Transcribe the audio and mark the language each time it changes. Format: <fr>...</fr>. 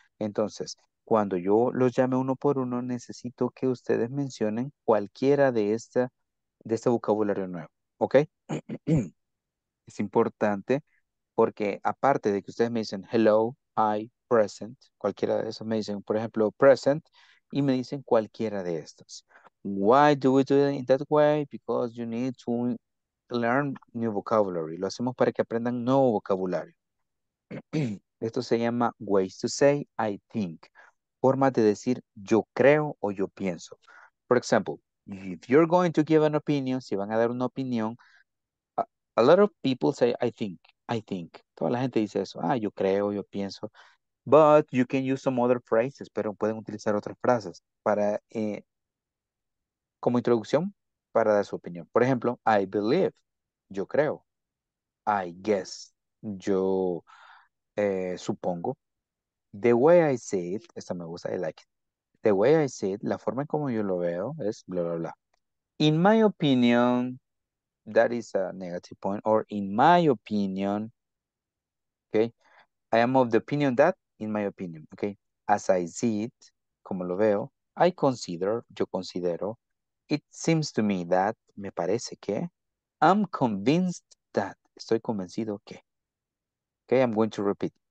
<es>Entonces, cuando yo los llame uno por uno, necesito que ustedes mencionen cualquiera de este vocabulario nuevo. Ok, es importante. Porque aparte de que ustedes me dicen hello, hi, present, cualquiera de esos me dicen, por ejemplo, present, y me dicen cualquiera de estos.</es> <en>Why do we do it in that way? Because you need to learn new vocabulary.</en> <es>Lo hacemos para que aprendan nuevo vocabulario. Esto se llama</es> <en>ways to say I think.</en> <es>Formas de decir yo creo o yo pienso.</es> <en>For example, if you're going to give an opinion,</en> <es>si van a dar una opinión,</es> <en>a lot of people say I think. I think.</en> <es>Toda la gente dice eso. Ah, yo creo, yo pienso.</es> <en>But you can use some other phrases.</en> <es>Pero pueden utilizar otras frases para como introducción para dar su opinión. Por ejemplo,</es> <en>I believe.</en> <es>Yo creo.</es> <en>I guess.</en> <es>Yo supongo.</es> <en>The way I see it.</en> <es>Esta me gusta.</es> <en>I like it. The way I see it.</en> <es>La forma en como yo lo veo es bla, bla, bla.</es> <en>In my opinion. That is a negative point. Or in my opinion, okay? I am of the opinion that, in my opinion, okay? As I see it,</en> <es>como lo veo,</es> <en>I consider,</en> <es>yo considero,</es> <en>it seems to me that,</en> <es>me parece que,</es> <en>I'm convinced that,</en> <es>estoy convencido que.</es> <en>Okay, I'm going to repeat.</en>